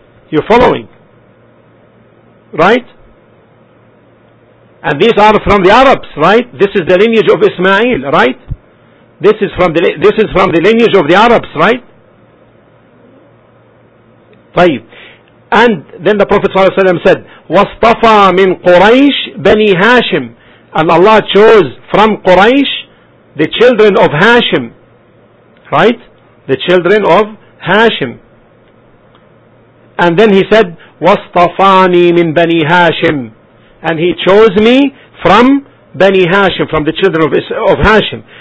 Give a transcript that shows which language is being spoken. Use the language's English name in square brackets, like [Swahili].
[English] You're following? Right? And these are from the Arabs, right? This is the lineage of Ismail, right? This is from the lineage of the Arabs, right? [Arabic] طيب. [English] And then the Prophet ﷺ said, [Arabic] وَاصْطَفَى مِنْ قُرَيْشِ بَنِي هَاشِمْ. [English] And Allah chose from Quraysh the children of Hashim. Right? The children of Hashim. And then he said, [Arabic] وَاصْطَفَانِي مِنْ بَنِي هَاشِمْ. [English] And he chose me from Bani Hashim, from the children of Hashim.